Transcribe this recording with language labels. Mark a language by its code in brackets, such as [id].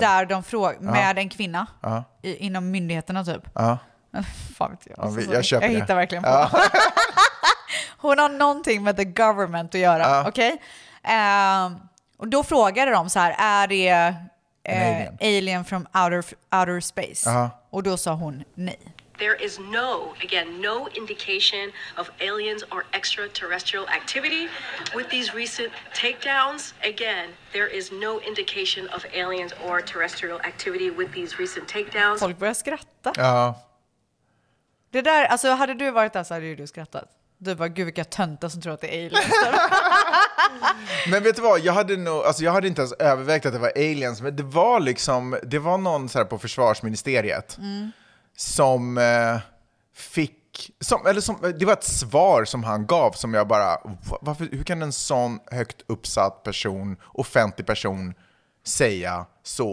[sv] Där de med en kvinna. Uh-huh. Inom myndigheterna typ. Uh-huh. Fan vet jag. Alltså, jag köper jag det. Hittar verkligen på. Uh-huh. Hon har någonting med [en] the government [sv] att göra. Uh-huh. Okej? Okay? Och då frågade de så här, är det... [en] Alien from outer space. Uh-huh. [sv] Och då sa hon nej. [en] There is no, again, no indication of aliens or extraterrestrial activity with these recent takedowns. Again, there is no indication of aliens or terrestrial activity with these recent takedowns. [sv] Folk börjar skratta. Ja. Uh-huh. Det där, alltså hade du varit där så hade du skrattat. Du bara, gud vilka töntar som tror att det är aliens. Men vet du vad, jag hade nog, alltså jag hade inte ens övervägt att det var aliens, men det var liksom, det var någon så här på försvarsministeriet som fick, som, eller som, det var ett svar som han gav som jag bara, varför, hur kan en sån högt uppsatt person, offentlig person säga så?